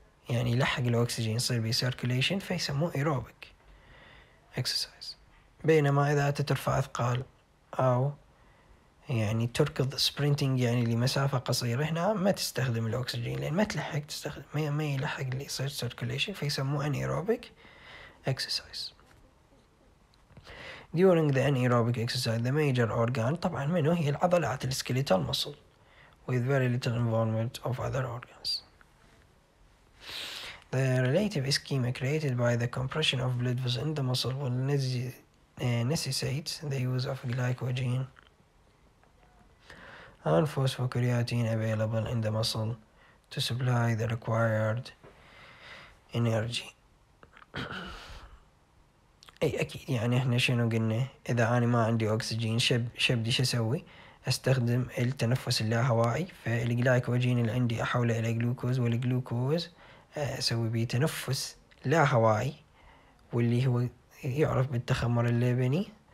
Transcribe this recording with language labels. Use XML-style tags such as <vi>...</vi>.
<ar>يعني يلحق الأكسجين يصير بي سيركوليشن فيسموه ايروبيك اكسرسايز. بينما إذا أنت ترفع أثقال أو يعني تركض سبرينتينج يعني لمسافة قصيرة هنا ما تستخدم الأكسجين لأن ما تلحق تستخدم ما يلحق اللي يصير سيركوليشن فيسموه انيروبيك اكسرسايز.</ar> <en>During the anaerobic exercise the major organ</en> <ar>طبعا منه هي العضلات السكيليتال مصل</ar> <en>with very little involvement of other organs. The relative ischemia created by the compression of blood vessels in the muscle will necessitate the use of glycogen and phosphocreatine available in the muscle to supply the required energy.</en> <ar>اي اكيد يعني احنا شنو قلنا اذا انا ما عندي اكسجين شبدي شو اسوي؟ استخدم التنفس اللاهوائي فالجلايكوجين اللي عندي احوله الى جلوكوز والجلوكوز اسوي به تنفس لاهوائي واللي هو يعرف بالتخمر اللبني.</ar>